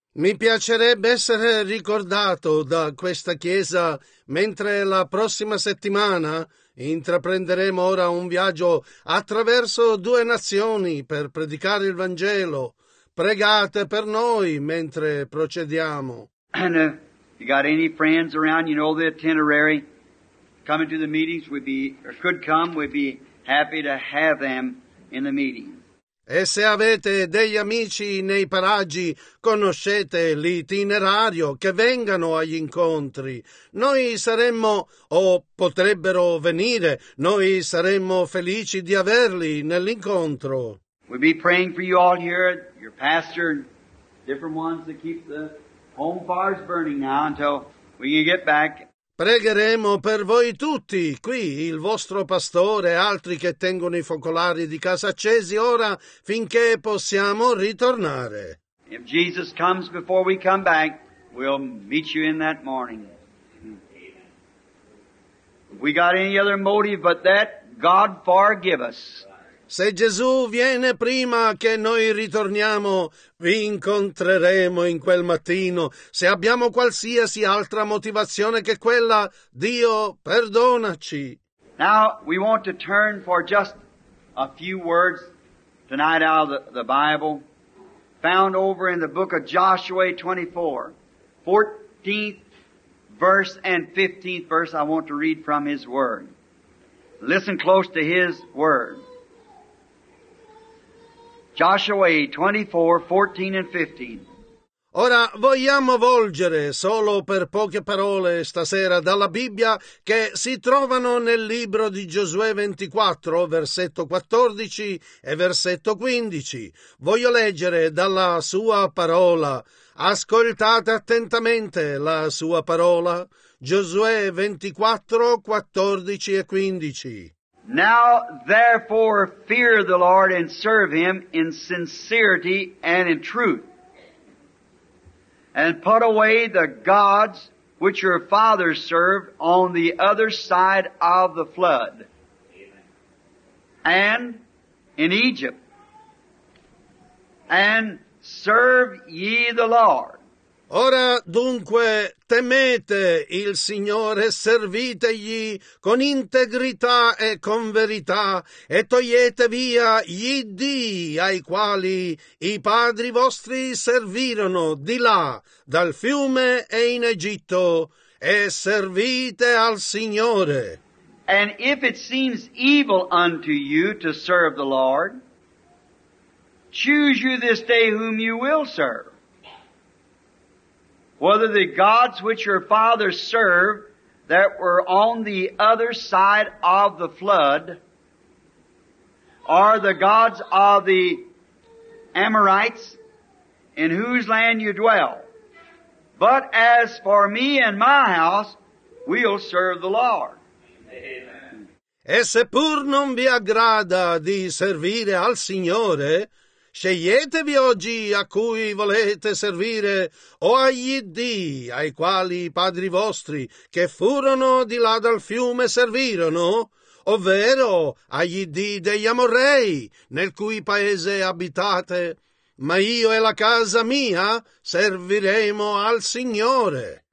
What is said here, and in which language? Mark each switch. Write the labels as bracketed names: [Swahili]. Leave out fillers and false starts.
[Italian] Mi piacerebbe essere ricordato da questa Chiesa mentre la prossima settimana intraprenderemo ora un viaggio attraverso due nazioni per predicare il Vangelo. Pregate per noi mentre procediamo. [English] And if you got any friends around, you know the itinerary, coming to the meetings, we'd be, or could come, we'd be happy to have them in the meeting. [Italian] E se avete degli amici nei paraggi, conoscete l'itinerario, che vengano agli incontri. Noi saremmo, o potrebbero venire, noi saremmo felici di averli nell'incontro. [English] We'll be praying for you all here, your pastor, different ones that keep the home fires burning now until we can get back. [Italian] Pregheremo per voi tutti, qui il vostro pastore e altri che tengono i focolari di casa accesi ora finché possiamo ritornare. [English] If Jesus comes before we come back, we'll meet you in that morning. If we got any other motive but that, God forgive us. [Italian] Se Gesù viene prima che noi ritorniamo, vi incontreremo in quel mattino. Se abbiamo qualsiasi altra motivazione che quella, Dio, perdonaci. [English] Now we want to turn for just a few words tonight out of the Bible, found over in the book of Joshua 24, 14th verse and 15th verse. I want to read from his word. Listen close to his word. Joshua 24, 14 and 15. [Italian] Ora vogliamo volgere solo per poche parole stasera dalla Bibbia che si trovano nel libro di Giosuè 24, versetto 14 e versetto 15. Voglio leggere dalla sua parola. Ascoltate attentamente la sua parola. Giosuè 24, 14 e 15. [English] Now therefore fear the Lord and serve him in sincerity and in truth. And put away the gods which your fathers served on the other side of the flood. And in Egypt. And serve ye the Lord. [Italian] Ora dunque temete il Signore, servitegli con integrità e con verità e togliete via gli dii ai quali i padri vostri servirono di là, dal fiume e in Egitto, e servite al Signore. [English] And if it seems evil unto you to serve the Lord, choose you this day whom you will serve. Whether the gods which your fathers served that were on the other side of the flood are the gods of the Amorites in whose land you dwell. But as for me and my house, we'll serve the Lord. Amen. [Italian] E seppur non vi aggrada di servire al Signore, sceglietevi oggi a cui volete servire o agli dii ai quali i padri vostri che furono di là dal fiume servirono, ovvero agli dii degli Amorrei nel cui paese abitate, ma io e la casa mia serviremo al Signore.